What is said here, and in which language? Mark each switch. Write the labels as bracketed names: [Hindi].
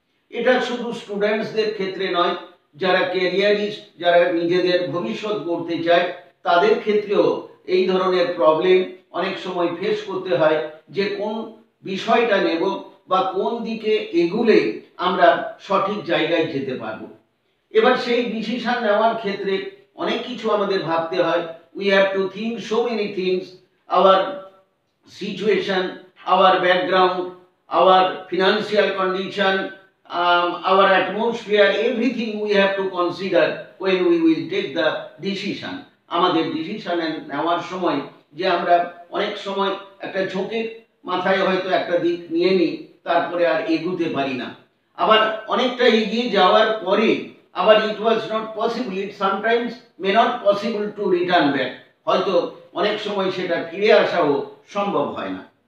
[Bangla] এটা শুধু স্টুডেন্টসদের ক্ষেত্রে নয়, যারা ক্যারিয়ারিস্ট, যারা নিজেদের ভবিষ্যৎ গড়তে চায়, তাদের ক্ষেত্রেও এই ধরনের প্রবলেম অনেক সময় ফেস করতে হয় যে কোন বিষয়টা নেব বা কোন দিকে এগুলে আমরা সঠিক জায়গায় যেতে পারবো। এবার সেই ডিসিশন নেওয়ার ক্ষেত্রে অনেক কিছু আমাদের ভাবতে হয়। [English] We have to think so many things, our situation, our background, our financial condition, our atmosphere, everything we have to consider when we will take the decision. [Bangla] আমাদের ডিসিশন নেওয়ার সময় যে আমরা অনেক সময় একটা ঝোঁকের মাথায় হয়তো একটা দিক নিয়ে নিই, তারপরে আর এগুতে পারি না, আবার অনেকটা এগিয়ে যাওয়ার পরে আবার [English] it was not possible, it sometimes may not possible to return back, [Bangla] হয়তো অনেক সময় সেটা ফিরে আসাও সম্ভব হয় না।